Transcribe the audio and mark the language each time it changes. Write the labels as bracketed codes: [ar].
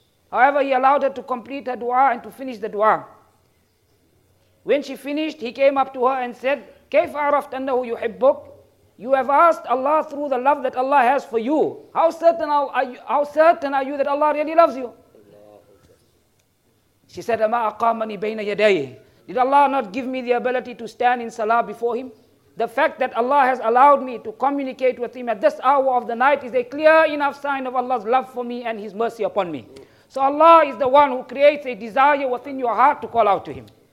[en] However, he allowed her to complete her dua and to finish the dua. When she finished, he came up to her and said, [ar] كيف عرفت أنه يحبك? [en] You have asked Allah through the love that Allah has for you. How certain are you that Allah really loves you? She said, [ar] أَمَا أَقَامَنِي بَيْنَ يَدَيْهِ. [en] Did Allah not give me the ability to stand in salah before him? The fact that Allah has allowed me to communicate with him at this hour of the night is a clear enough sign of Allah's love for me and his mercy upon me. So Allah is the one who creates a desire within your heart to call out to him.